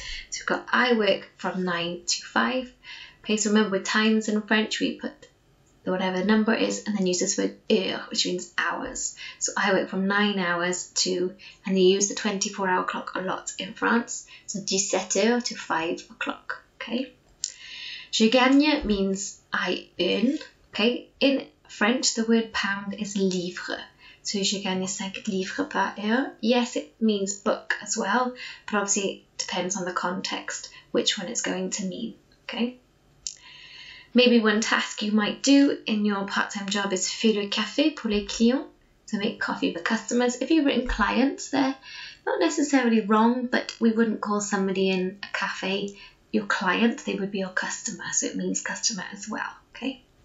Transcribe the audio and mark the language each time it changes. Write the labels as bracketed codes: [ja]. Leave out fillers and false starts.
[en] So we've got I work from 9 to 5. Okay, so remember with times in French, we put whatever number is and then use this word heure, which means hours. So I work from 9 hours to, and they use the 24-hour clock a lot in France, so 17 heures to 5 o'clock. Okay. [fr] Je gagne [en] means I earn. Okay. In French, the word pound is livre. [fr] So je gagne 5 livres par heure. [en] Yes, it means book as well, but obviously it depends on the context which one it's going to mean. Okay. Maybe one task you might do in your part-time job is [fr] faire le café pour les clients, [en] to make coffee for customers. If you've written clients, they're not necessarily wrong, but we wouldn't call somebody in a café your client, they would be your customer, so it means customer as well, okay?